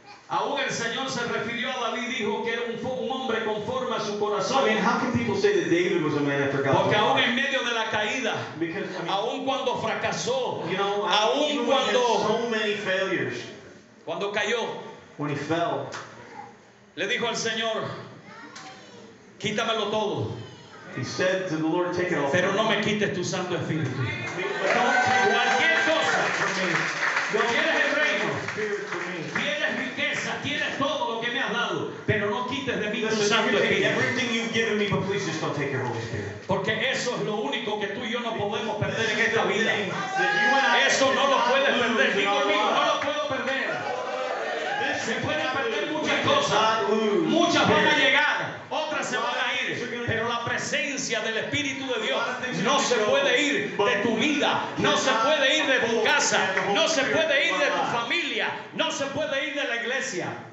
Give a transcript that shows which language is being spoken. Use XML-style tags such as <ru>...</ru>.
<es>Aún el Señor se refirió a David y dijo que era un hombre conforme a su corazón.</es> <en>I mean, how can people say that David was a man after God's heart?</en> <es>Porque aún en medio de la caída, aún cuando fracasó, aún cuando cayó,</es> <en>when he fell,</en> <es>le dijo al Señor, quítamelo todo.</es> <en>He said to the Lord, take it off.</en> <es>Pero no me quites tu Santo Espíritu.</es> <en>Don't take</en> <es>cualquier cosa.</es> <en>Don't</en> <es>quieres el reino. Quieres riqueza. Quieres todo lo que me has dado. Pero no quites de mí tu Santo Espíritu.</es> <en>Everything you've given me, but please just don't take your Holy Spirit.</en> <es>Porque eso es lo único que tú y yo no podemos perder en esta vida. Eso no lo puedes perder. Digo mío, no lo puedo perder. Se pueden perder muchas cosas. Muchas van a llegar. Otras se van a ir, pero la presencia del Espíritu de Dios no se puede ir de tu vida, no se puede ir de tu casa, no se puede ir de tu familia, no se puede ir de la iglesia.</es>